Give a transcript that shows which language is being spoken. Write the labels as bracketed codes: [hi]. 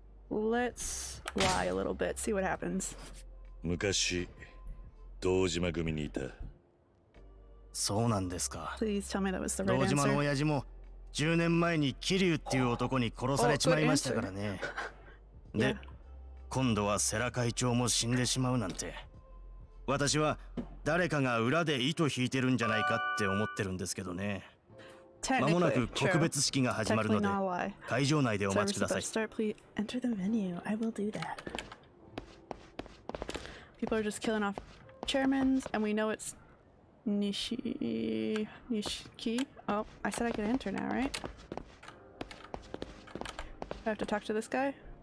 [en] Let's lie a little bit, see what happens. [ja] 昔、道島組にいた。そうなんですか。 [en] Please tell me that was the right answer. [ja] 道島の親父も10年前に桐生っていう男に殺されちまいましたからね。で、今度は世良会長も死んでしまうなんて私は誰かが裏で糸引いてるんじゃないかって思ってるんですけどね間もなく特別式が始まるので会場内でお待ちください [en] Enter the venue. I will do that. People are just killing off chairmen, and we know it's Nishiki. Oh, I said I could enter now, right? Do I have to talk to this guy?